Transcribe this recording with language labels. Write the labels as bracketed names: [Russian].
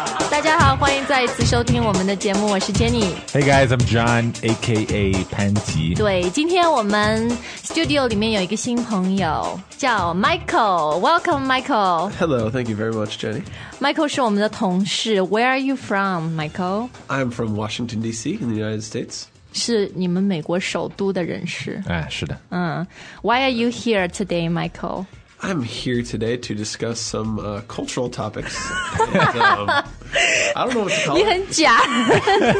[Chinese] 大家好，欢迎再一次收听我们的节目。我是 Jenny。 [English] Hey guys, I'm John, aka 潘吉。 [Chinese] 对，今天我们 studio 里面有一个新朋友。叫 [English] Michael, welcome Michael. Hello, thank you very much, Jenny. [Chinese] Michael 是我们的同事。 [English] Where are you from, Michael? I'm from Washington, D.C. in the United States. [Chinese] 是你们美国首都的人士。是的。 [English] Why are you here today, Michael? I'm here today to discuss some cultural topics. I don't know what to call it.